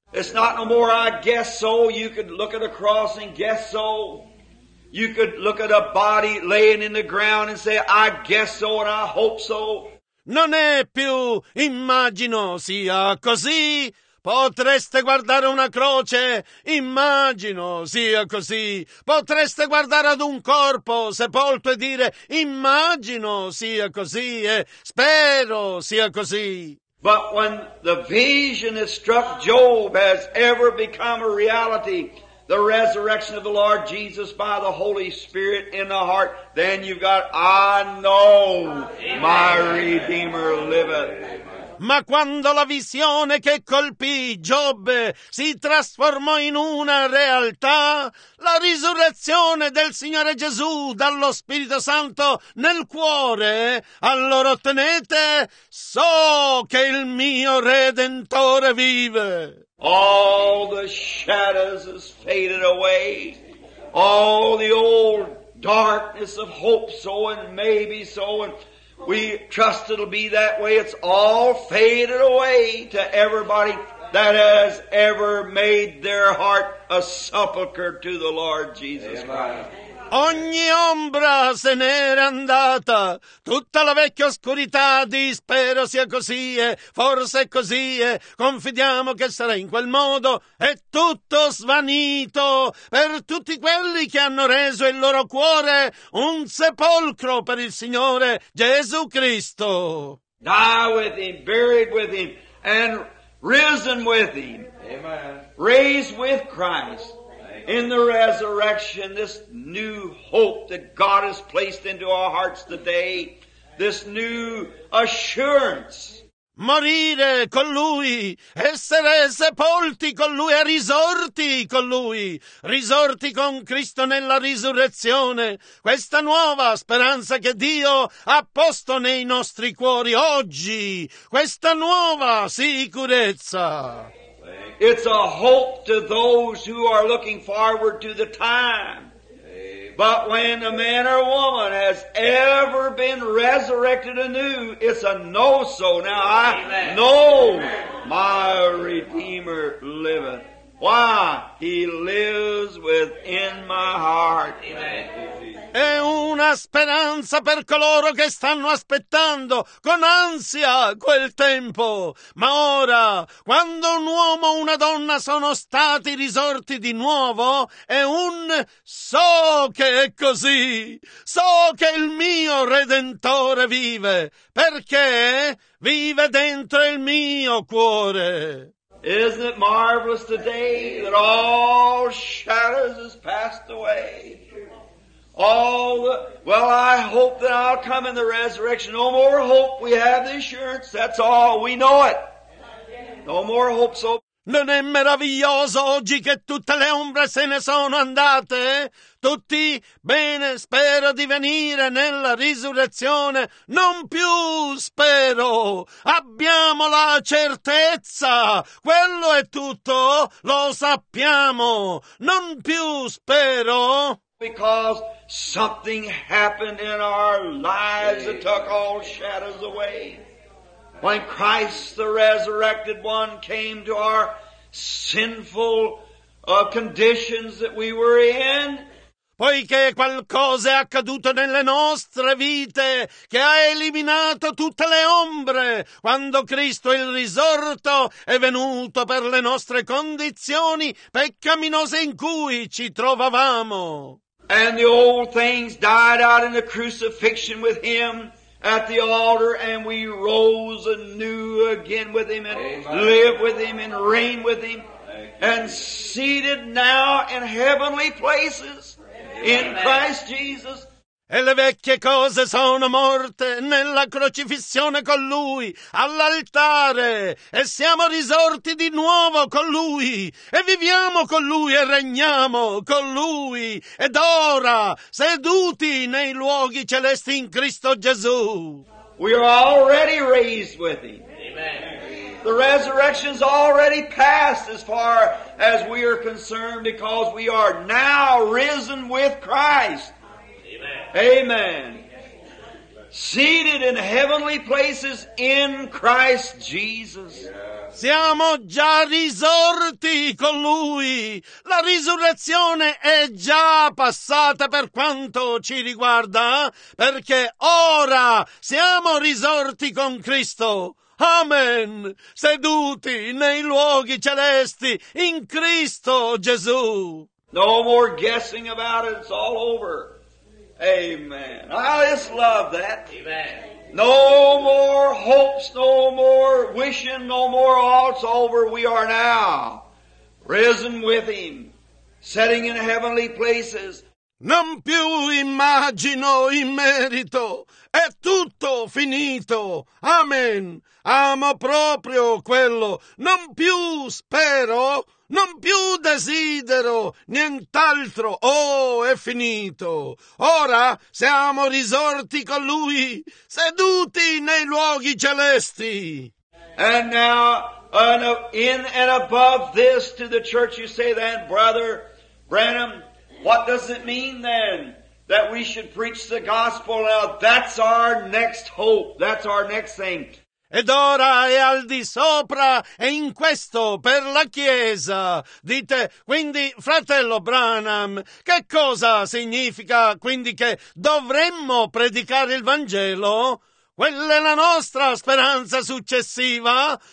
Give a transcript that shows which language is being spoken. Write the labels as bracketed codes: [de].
[en] It's not no more I guess so. You could look at a cross and guess so. You could look at a body laying in the ground and say, I guess so and I hope so. [it] Non è più, immagino sia così. Potreste guardare una croce, immagino sia così. Potreste guardare ad un corpo sepolto e dire, immagino sia così e spero sia così. [en] But when the vision that struck Job has ever become a reality, the resurrection of the Lord Jesus by the Holy Spirit in the heart, then you've got, I know my Redeemer liveth. [it] Ma quando la visione che colpì Giobbe si trasformò in una realtà, la risurrezione del Signore Gesù dallo Spirito Santo nel cuore, allora ottenete: so che il mio Redentore vive. [en] All the shadows has faded away. All the old darkness of hope, so and maybe so, and we trust it'll be that way. It's all faded away to everybody that has ever made their heart a sepulcher to the Lord Jesus Christ. [it] Ogni ombra se n'era andata, tutta la vecchia oscurità di spero sia così e forse è così e confidiamo che sarà in quel modo, è tutto svanito per tutti quelli che hanno reso il loro cuore un sepolcro per il Signore Gesù Cristo. [en] Die with him, buried with him, and risen with him. Amen. Raised with Christ. In the resurrection, this new hope that God has placed into our hearts today, this new assurance. [it] Morire con Lui, essere sepolti con Lui e risorti con Lui, risorti con Cristo nella risurrezione, questa nuova speranza che Dio ha posto nei nostri cuori oggi, questa nuova sicurezza. [en] It's a hope to those who are looking forward to the time. But when a man or woman has ever been resurrected anew, it's a no-so. Now I know my Redeemer liveth. Why? He lives within my heart. Amen. [it] È una speranza per coloro che stanno aspettando con ansia quel tempo. Ma ora, quando un uomo o una donna sono stati risorti di nuovo, è un so che è così. So che il mio Redentore vive, perché vive dentro il mio cuore. [en] Isn't it marvelous today that all shadows has passed away? I hope that I'll come in the resurrection. No more hope. We have the assurance. That's all. We know it. No more hope. So. [it] Non è meraviglioso oggi che tutte le ombre se ne sono andate? Tutti bene, spero di venire nella risurrezione. Non più spero. Abbiamo la certezza. Quello è tutto. Lo sappiamo. Non più spero. [en] Because something happened in our lives that took all shadows away. When Christ the resurrected one came to our sinful conditions that we were in. [it] Poiché qualcosa è accaduto nelle nostre vite che ha eliminato tutte le ombre quando Cristo il risorto è venuto per le nostre condizioni peccaminose in cui ci trovavamo. [en] And the old things died out in the crucifixion with him at the altar, and we rose anew again with him and live with him and reign with him and seated now in heavenly places in Christ Jesus. [it] E le vecchie cose sono morte nella crocifissione con Lui, all'altare, e siamo risorti di nuovo con Lui, e viviamo con Lui e regniamo con Lui, ed ora, seduti nei luoghi celesti in Cristo Gesù. [en] We are already raised with Him. Amen. The resurrection's already passed as far as we are concerned, because we are now risen with Christ. Amen. Seated in heavenly places in Christ Jesus. [it] Siamo già risorti con Lui. La risurrezione è già passata per quanto ci riguarda, perché ora siamo risorti con Cristo. Amen. Seduti nei luoghi celesti in Cristo Gesù. [en] No more guessing about it. It's all over. Amen. I just love that. Amen. No more hopes, no more wishing, no more all it's over. We are now risen with Him, sitting in heavenly places. [it] Non più immagino in merito, è tutto finito. Amen. Amo proprio quello. Non più spero, non più desidero, nient'altro. Oh, è finito. Ora siamo risorti con Lui, seduti nei luoghi celesti. [en] And now, in and above this, to the church you say that, Brother Branham, what does it mean then that we should preach the gospel now? That's our next hope. That's our next thing. [it] Ed ora è al di sopra e in questo per la Chiesa. Dite, quindi, fratello Branham, che cosa significa quindi che dovremmo predicare il Vangelo? Quella è la nostra speranza successiva.